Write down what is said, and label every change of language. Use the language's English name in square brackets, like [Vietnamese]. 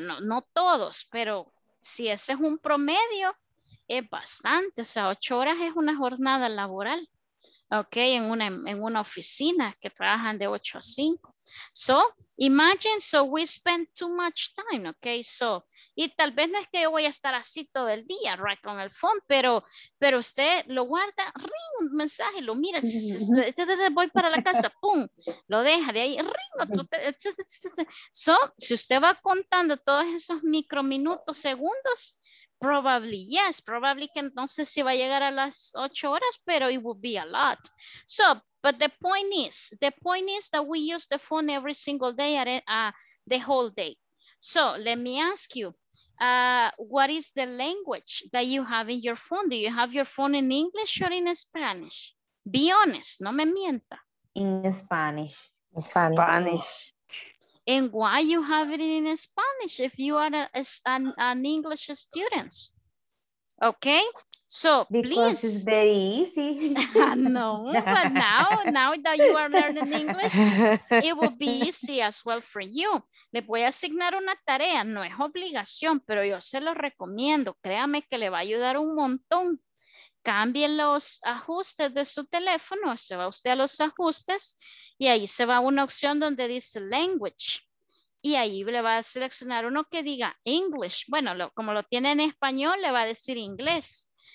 [Spanish] No todos, pero si ese es un promedio, es bastante, o sea, 8 horas es una jornada laboral, ok, en una oficina que trabajan de 8 a 5, so, imagine, [English] so we spend too much time, [Spanish] ok, so, y tal vez no es que yo voy a estar así todo el día, right, con el phone, pero usted lo guarda, ring, un mensaje, lo mira, voy para la casa, pum, lo deja de ahí, ring, otro, so, si usted va contando todos esos micro minutos, segundos, [English] probably, yes, probably [Spanish] que entonces si va a llegar a las 8 horas, pero [English] it would be a lot. So, but the point is that we use the phone every single day, the whole day. So, let me ask you, what is the language that you have in your phone? Do you have your phone in English or in Spanish? Be honest, [Spanish] no me mienta. [English] In Spanish. Spanish. And why you have it in Spanish if you are an English student? Okay, So, because it's very easy. No, but now that you are learning English, it will be easy as well for you. [Spanish] Le voy a asignar una tarea, no es obligación, pero yo se lo recomiendo. Créame que le va a ayudar un montón. Cambie los ajustes de su teléfono, se va usted a los ajustes y ahí se va a una opción donde dice language. Y ahí le va a seleccionar uno que diga English. Bueno, como lo tiene en español, le va a decir inglés.